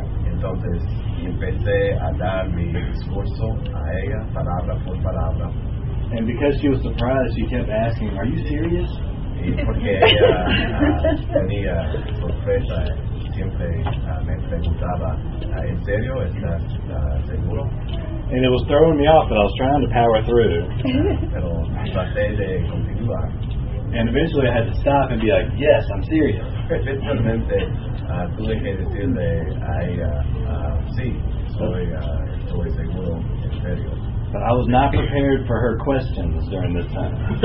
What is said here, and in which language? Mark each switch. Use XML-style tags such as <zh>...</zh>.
<es>Entonces empecé a dar mi discurso a ella, palabra por palabra.</es> <en>And because she was surprised, she kept asking, "Are you serious?"</en> <es>Y porque ella tenía sorpresa, siempre me preguntaba, "¿En serio? ¿Estás seguro?"</es> <en>And it was throwing me off, but I was trying to power through.</en> <es>Pero traté de continuar.</es> <en>And eventually I had to stop and be like, yes, I'm serious.</en> <es>Eventualmente, tuve que decirle, sí, soy seguro, en serio.</es> <en>But I was not prepared for her questions during this time.</en>